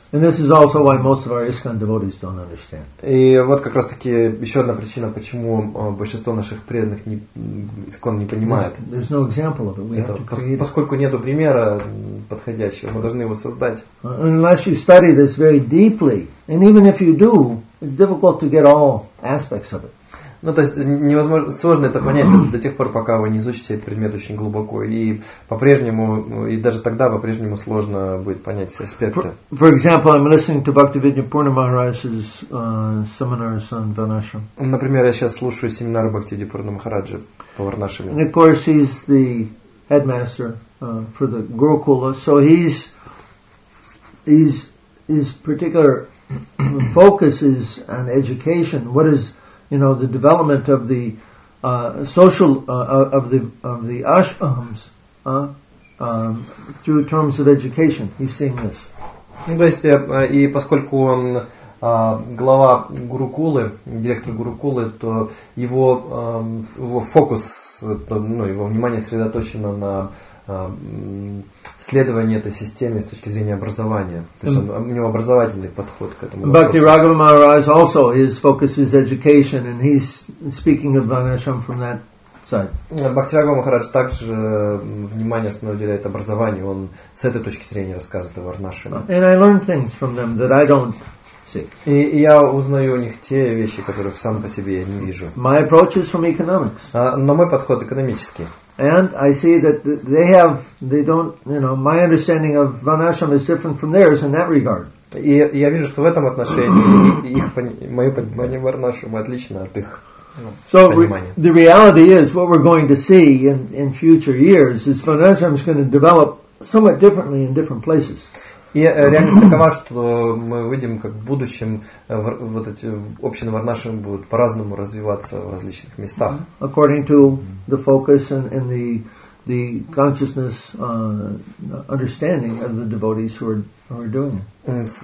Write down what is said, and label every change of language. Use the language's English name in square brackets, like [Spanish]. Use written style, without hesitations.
[English] And this is also why most of our ISKCON devotees don't understand. [Russian] И вот как раз таки еще одна причина, почему большинство наших преданных ISKCON не понимает. [English] There's no example of it. We have to create. [Russian] Поскольку нету примера подходящего, мы должны его создать. [English] Unless you study this very deeply, and even if you do, it's difficult to get all aspects of it. [Russian] Ну, то есть невозможно, сложно это понять до тех пор, пока вы не изучите этот предмет очень глубоко. И по-прежнему, и даже тогда по-прежнему сложно будет понять все аспекты. [English] For example, I'm listening to Bhaktivedanta Purna Maharaj's seminars on Varnashram. [Russian] Например, я сейчас слушаю семинары Бхактивиди Пурна Махараджи по Варнашраме. [English] And of course, he's the headmaster for the Gurukula. So his particular focus is on education. What is, you know, the development of the social of the ashrams through terms of education. He's seeing this. [Russian] То есть, и поскольку он глава Гурукулы, директор Гурукулы, то его фокус, ну, его внимание сосредоточено на следование этой системе с точки зрения образования. То есть у него образовательный подход к этому. [English] Бхакти Рагава Махарадж also, his focus is education, and he's speaking of Varnashram from that side. [Russian] Бхакти Рагава Махарадж также внимание основное уделяет образованию. Он с этой точки зрения рассказывает о Варнашраме. [English] And I learn things from them that I don't see. [Russian] И я узнаю у них те вещи, которых сам по себе я не вижу. [English] My approach is from economics. [Russian] Но мой подход экономический. [English] And I see that they don't, you know, my understanding of Varnashram is different from theirs in that regard. [Russian] И я вижу, что в этом отношении их моё понимание Варнашрама отлично от их понимания. [English] So the reality is, what we're going to see in future years is Varnashram is going to develop somewhat differently in different places. [Russian] И реальность такова, что мы увидим, как в будущем вот эти общины Варнашрам будут по-разному развиваться в различных местах. [English] According to the focus and the consciousness understanding of the devotees who are doing it.